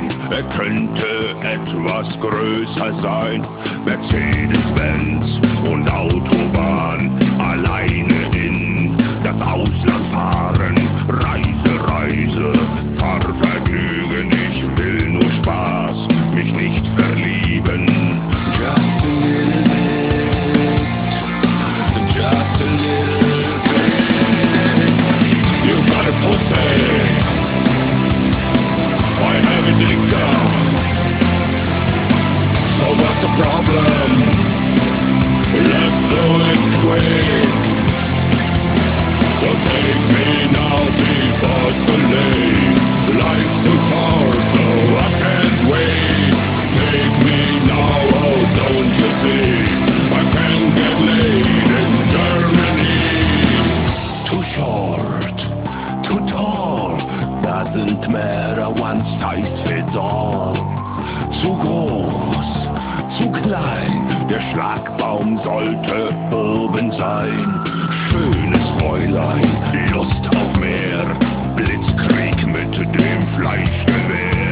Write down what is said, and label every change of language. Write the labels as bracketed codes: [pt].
[de] Wer könnte etwas größer sein? Mercedes-Benz und Autobahn, alleine in das Ausland fahren. Reise, Reise, Fahrvergnügen, ich will nur Spaß, mich nicht verlieben. [en] Just a little bit, just a little bit. You got a pussy. I have a liquor. So what's the problem? Let's do it quick. So take me now before it's too late. Life's too short, so I can't wait. Take me now, oh don't you see, I can get laid in Germany. Too short, too tall, doesn't matter, one size fits all. [de] Zu groß, zu klein, der Schlagbaum sollte oben sein. Schönes Fräulein, Lust auf mehr, Blitzkrieg mit dem Fleischgewehr.